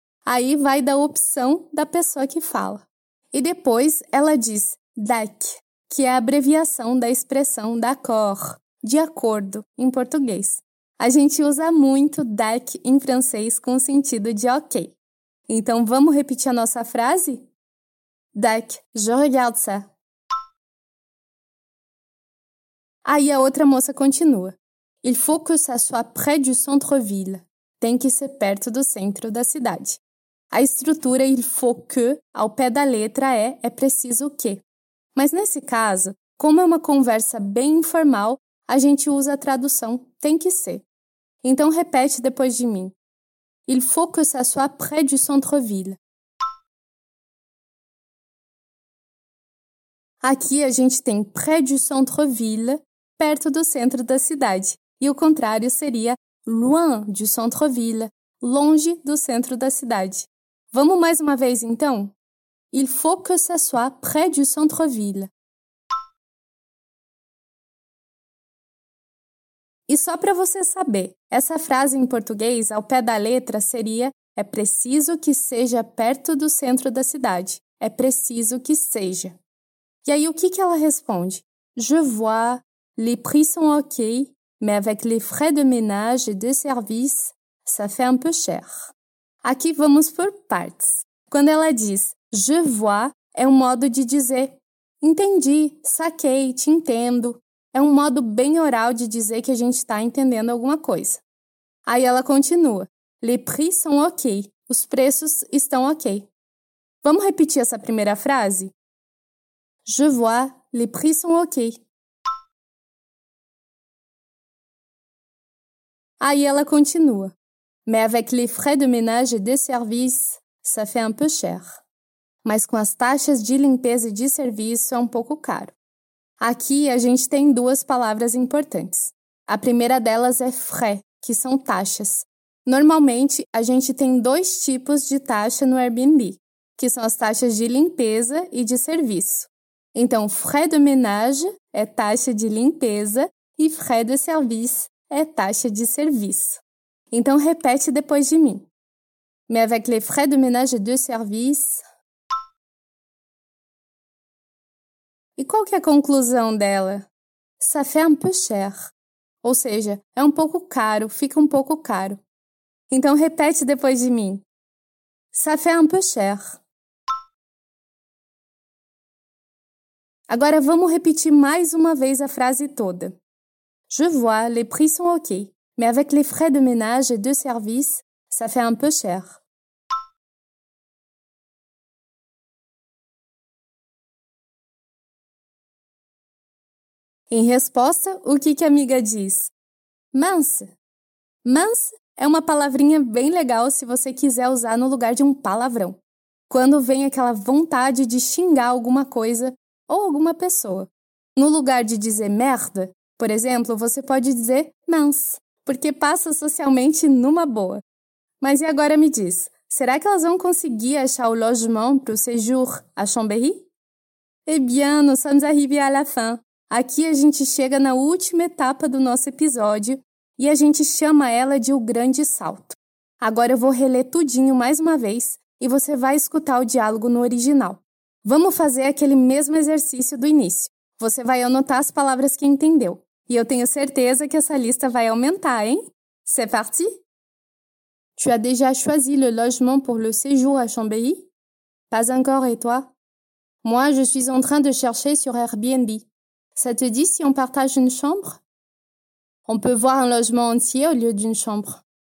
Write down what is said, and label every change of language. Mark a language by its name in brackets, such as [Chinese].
[Portuguese] Aí vai da opção da pessoa que fala. E depois ela diz, d'ac, que é a abreviação da expressão d'accord, de acordo, em português. A gente usa muito d'ac em francês com o sentido de ok. Então, vamos repetir a nossa frase? [French] D'ac, je regarde ça. [Portuguese] Aí a outra moça continua. [French] Il faut que ça soit près du centre-ville. [Portuguese] Tem que ser perto do centro da cidade. A estrutura [French] il faut que, [Portuguese] ao pé da letra, é preciso que. Mas nesse caso, como é uma conversa bem informal, a gente usa a tradução tem que ser. Então repete depois de mim. [French] Il faut que ça soit près du centre-ville. [Portuguese] Aqui a gente tem [French] près du centre-ville, [Portuguese] perto do centro da cidade. E o contrário seria [French] loin du centre-ville, [Portuguese] longe do centro da cidade. Vamos mais uma vez então? [French] Il faut que ça soit près du centre-ville. [Portuguese] E só para você saber, essa frase em português, ao pé da letra, seria é preciso que seja perto do centro da cidade. É preciso que seja. E aí, o que, que ela responde? [French] Je vois, les prix sont ok, mais avec les frais de ménage et de service, ça fait un peu cher. [Portuguese] Aqui vamos por partes. Quando ela diz [French] je vois, [Portuguese] é um modo de dizer entendi, saquei, te entendo. É um modo bem oral de dizer que a gente está entendendo alguma coisa. Aí ela continua. [French] Les prix sont OK. [Portuguese] Os preços estão OK. Vamos repetir essa primeira frase? [French] Je vois, les prix sont OK. [Portuguese] Aí ela continua. [French] Mais avec les frais de ménage et de service, ça fait un peu cher. [Portuguese] Mas com as taxas de limpeza e de serviço, é um pouco caro. Aqui, a gente tem duas palavras importantes. A primeira delas é frais, que são taxas. Normalmente, a gente tem dois tipos de taxa no Airbnb, que são as taxas de limpeza e de serviço. Então, [French] frais de ménage [Portuguese] é taxa de limpeza e [French] frais de service [Portuguese] é taxa de serviço. Então, repete depois de mim. [French] Mais avec les frais de ménage et de service... [Portuguese] E qual que é a conclusão dela? [French] Ça fait un peu cher. [Portuguese] Ou seja, é um pouco caro, fica um pouco caro. Então repete depois de mim. [French] Ça fait un peu cher. [Portuguese] Agora vamos repetir mais uma vez a frase toda. [French] Je vois, les prix sont OK, mais avec les frais de ménage et de service, ça fait un peu cher. [Portuguese] Em resposta, o que que a amiga diz? Mince. Mince é uma palavrinha bem legal se você quiser usar no lugar de um palavrão. Quando vem aquela vontade de xingar alguma coisa ou alguma pessoa. No lugar de dizer merda, por exemplo, você pode dizer mince, porque passa socialmente numa boa. Mas e agora me diz, será que elas vão conseguir achar o logement pro séjour à Chambéry? [French] Eh bien, nous sommes arrivés à la fin. [Portuguese] Aqui a gente chega na última etapa do nosso episódio e a gente chama ela de o grande salto. Agora eu vou reler tudinho mais uma vez e você vai escutar o diálogo no original. Vamos fazer aquele mesmo exercício do início. Você vai anotar as palavras que entendeu. E eu tenho certeza que essa lista vai aumentar, hein? [French] C'est parti? Tu as déjà choisi le logement pour le séjour à Chambéry? Pas encore, et toi? Moi, je suis en train de chercher sur Airbnb. Ça te dit si on partage une chambre? On peut voir un logement entier au lieu d'une chambre.